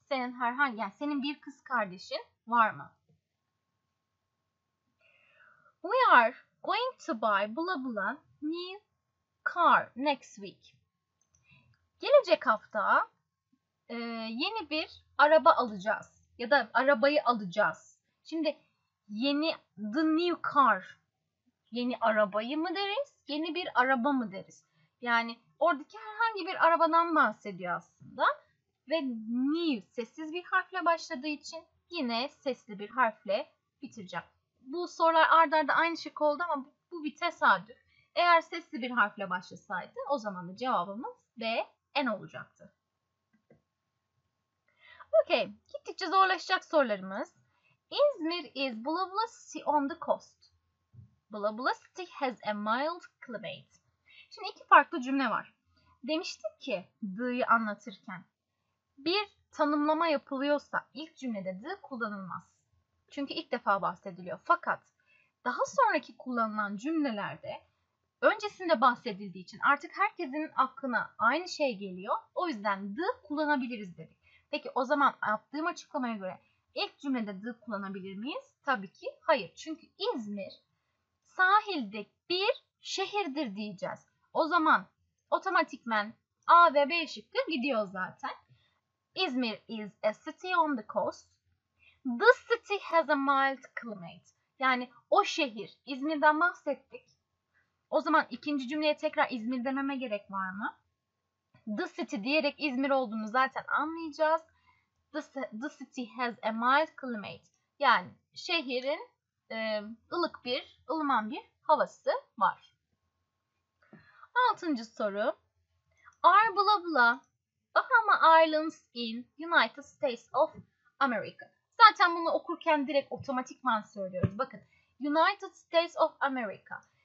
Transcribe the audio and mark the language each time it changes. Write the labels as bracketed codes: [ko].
[tr] Senin herhangi, yani senin bir kız kardeşin var mı? [en] We are going to buy blah blah new car next week. [tr] Gelecek hafta yeni bir araba alacağız. Ya da arabayı alacağız. Şimdi yeni, [en] the new car. [tr] Yeni arabayı mı deriz? Yeni bir araba mı deriz? Yani oradaki herhangi bir arabadan bahsediyor aslında. Ve new sessiz bir harfle başladığı için yine sesli bir harfle bitireceğim. Bu sorular ard arda aynı şık oldu ama bu bir tesadüf. Eğer sesli bir harfle başlasaydı o zaman da cevabımız B, N olacaktı. Okay, gittikçe zorlaşacak sorularımız. [en] İzmir is blah blah city on the coast. Blah blah city has a mild climate. [tr] Şimdi iki farklı cümle var. Demiştik ki the'yi anlatırken. Bir tanımlama yapılıyorsa ilk cümlede de kullanılmaz. Çünkü ilk defa bahsediliyor. Fakat daha sonraki kullanılan cümlelerde öncesinde bahsedildiği için artık herkesin aklına aynı şey geliyor. O yüzden de kullanabiliriz dedik. Peki o zaman yaptığım açıklamaya göre ilk cümlede de kullanabilir miyiz? Tabii ki hayır. Çünkü İzmir sahilde bir şehirdir diyeceğiz. O zaman otomatikmen A ve B şıkkı gidiyor zaten. [en] İzmir is a city on the coast. The city has a mild climate. [tr] Yani o şehir. İzmir'den bahsettik. O zaman ikinci cümleye tekrar İzmir dememe gerek var mı? [en] The city [tr] diyerek İzmir olduğunu zaten anlayacağız. [en] The city has a mild climate. [tr] Yani şehrin ılık bir, ılıman bir havası var. Altıncı soru. [en] Are blah blah Bahama Islands in United States of America. [tr] Zaten bunu okurken direkt otomatikman söylüyoruz. Bakın, United States of America.